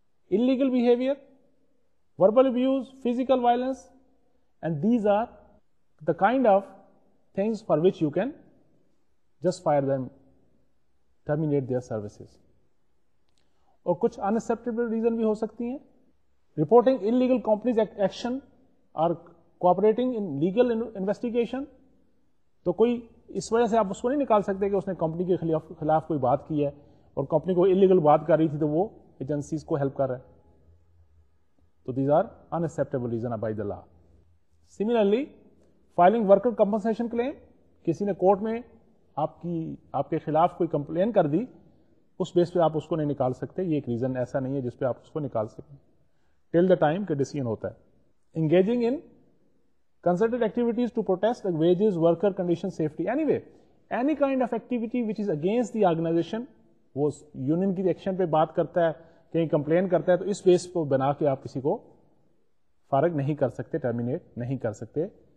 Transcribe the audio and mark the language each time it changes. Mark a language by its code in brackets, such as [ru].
[en] Illegal behavior, verbal abuse, physical violence, and these are the kind of things for which you can just fire them, terminate their services. [ur] اور کچھ unacceptable reason بھی ہو سکتی ہیں. [en] Reporting illegal companies action or cooperating in legal investigation, [ur] تو کوئی اس وجہ سے آپ اس کو نہیں نکال سکتے کہ اس نے کمپنی کے خلاف کوئی بات کی ہے اور کمپنی کو illegal بات کر رہی تھی تو وہ ایجنسیز کو ہیلپ کر رہا ہے. [en] تو these are unacceptable reason by the law. [ur] Similarly filing worker compensation کلیم, کسی نے کورٹ میں آپ کے خلاف کوئی کمپلین کر دی, اس بیس پہ آپ اس کو نہیں نکال سکتے. یہ ایک ریزن ایسا نہیں ہے جس پہ آپ اس کو نکال سکیں ٹل دا ٹائم کہ ڈیسیژن ہوتا ہے. [en] engaging in concerted activities to protest wages, worker condition, safety, any way any kind of activity which is against the organisation, [ur] وہ یونین کی ایکشن پہ بات کرتا ہے, کہیں کمپلین کرتا ہے, تو اس بیس کو بنا کے آپ کسی کو فارغ نہیں کر سکتے, ٹرمینیٹ نہیں کر سکتے.